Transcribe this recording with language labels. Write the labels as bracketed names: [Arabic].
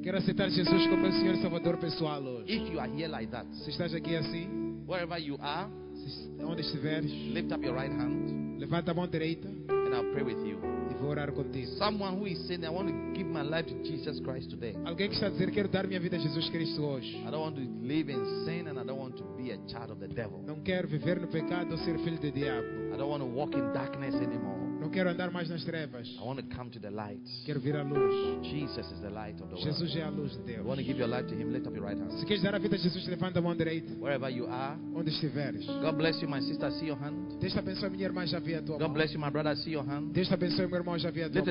[Portuguese] Quero aceitar Jesus como meu Senhor e Salvador pessoal hoje. [English] If you are here like that, [Portuguese] se estás aqui assim, [English] wherever you are, [Portuguese] onde estiveres, [English] lift up your right hand, [Portuguese] levanta a mão direita, [English] and I'll pray with you. [Portuguese] Orar contigo. [English] Someone who is saying, I want to give my life to Jesus Christ today. [Portuguese] Alguém que está dizendo, quero dar minha vida a Jesus Cristo hoje. [English] I don't want to live in sin and I don't want to be a child of the devil. [Portuguese] Não quero viver no pecado ou ser filho do diabo. [English] I don't want to walk in darkness anymore. [Portuguese] Não quero andar mais nas trevas. [English] I want to come to the light. [Portuguese] Quero vir à luz. [English] Jesus is the light of the world. [Portuguese] Jesus é a luz de Deus. [English] I want to give your life to Him. Lift up your right hand. [Portuguese] Se queres dar a vida a Jesus, levanta a mão direita. [English] Wherever you are, [Portuguese] onde estiveres. [English] God bless you, my sister. See your hand. [Portuguese] Deus te abençoe, minha irmã. Já vi a tua mão. [English] God bless you, my brother. See your hand. [Portuguese] Deus te abençoe, meu irmão. Já vi a tua mão.